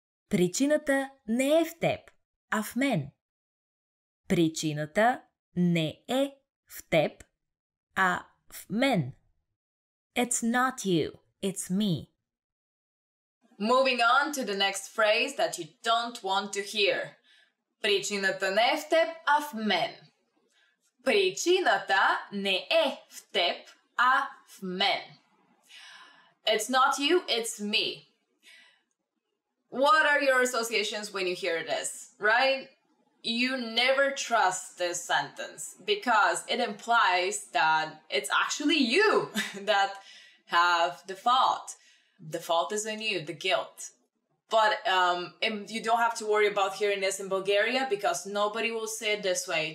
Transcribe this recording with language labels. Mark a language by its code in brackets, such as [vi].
[bg] Причината не е в теб, а в мен. Причината не е в теб, а в мен. [en] It's not you, it's me. Moving on to the next phrase that you don't want to hear. [bg] Причината не е в теб, а в мен. Причината не е в теб, а в мен. [en] It's not you, it's me. What are your associations when you hear this, right? You never trust this sentence because it implies that it's actually you that have the fault. The fault is on you, the guilt. But you don't have to worry about hearing this in Bulgaria because nobody will say it this way.